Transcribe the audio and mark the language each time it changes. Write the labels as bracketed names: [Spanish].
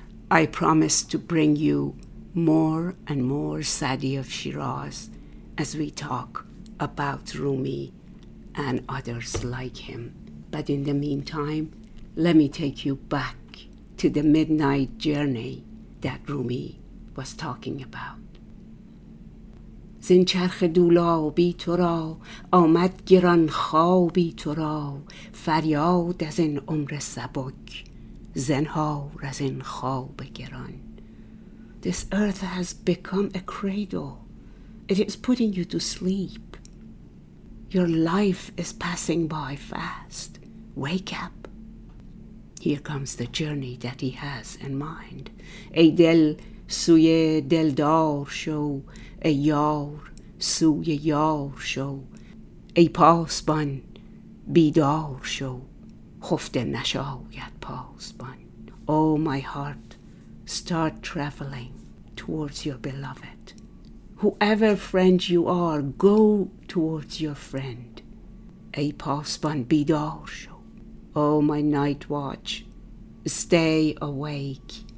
[English] I promise to bring you more and more Saadi of Shiraz as we talk about Rumi and others like him. But in the meantime, let me take you back to the midnight journey that Rumi was talking about. [Persian] زین چرخ دولابی تو را آمد گران خوابی تو را فریاد از این عمر سبک زنهار از این خواب گران. [English] This earth has become a cradle. It is putting you to sleep. Your life is passing by fast. Wake up. Here comes the journey that he has in mind. [Persian] ای دل سوی دلدار شو، ای یار سوی یار شو، ای پاسبان بیدار شو، خفته نشاید پاسبان. [English] Oh my heart, start traveling towards your beloved. Whoever friend you are, go towards your friend. [Persian] ای پاسبان بیدار شو. [English] Oh, my night watch, stay awake.